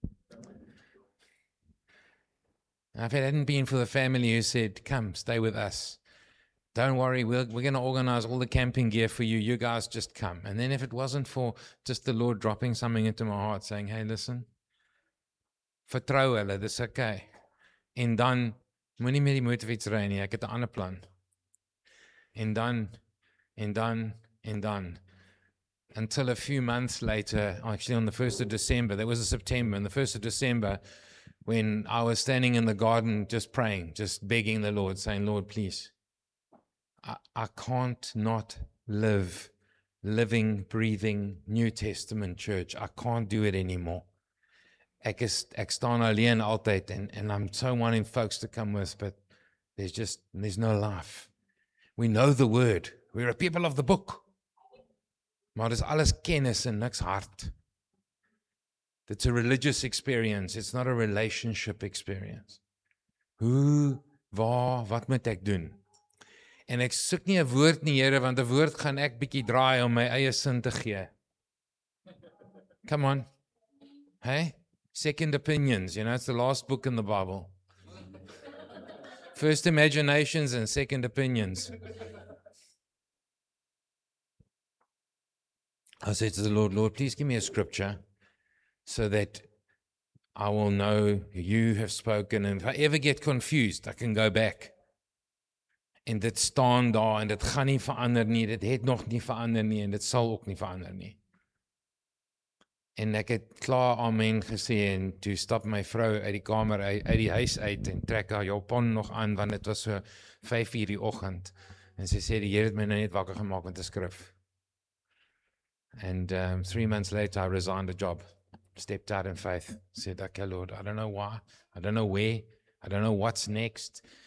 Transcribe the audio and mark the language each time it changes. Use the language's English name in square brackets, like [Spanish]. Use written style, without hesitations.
[English] And if it hadn't been for the family who said, come, stay with us. Don't worry, we're going to organize all the camping gear for you. You guys just come. And then if it wasn't for just the Lord dropping something into my heart, saying, hey, listen, [Afrikaans] vertrou hulle, dis okay. En dan, moenie meer die motorfiets ry nie, ek het 'n ander plan. [English] And then, until a few months later, actually on the 1st of December, that was a September, on the 1st of December, when I was standing in the garden just praying, just begging the Lord, saying, Lord, please, I can't not live living, breathing New Testament church. I can't do it anymore. [Afrikaans] Ek staan alleen altyd, [English] and I'm so wanting folks to come with, but there's no life. We know the word. We're a people of the book. [Afrikaans] Maar dis alles kennis en niks hart. [English] It's a religious experience. It's not a relationship experience. [Afrikaans] Hoe, waar, wat moet ek doen? En ek soek nie 'n woord nie, Here, want 'n woord gaan ek bietjie draai om my eie sin te gee. [English] Come on. Hey? Second opinions, you know, it's the last book in the Bible. First imaginations and second opinions. I said to the Lord, Lord, please give me a scripture so that I will know you have spoken. And if I ever get confused, I can go back. [Afrikaans] And dit staan daar en dit gaan nie verander nie, dit het nog nie verander nie en dit sal ook nie verander nie. En ek het klaar amen gesê en toe stap my vrou uit die kamer uit die huis uit en trek haar japon nog aan, want dit was so 5:00 die oggend. En sy sê, die Heer het my nou net wakker gemaak met 'n skrif. [English] And 3 months later, I resigned the job, stepped out in faith, said, okay, Lord, I don't know why, I don't know where, I don't know what's next.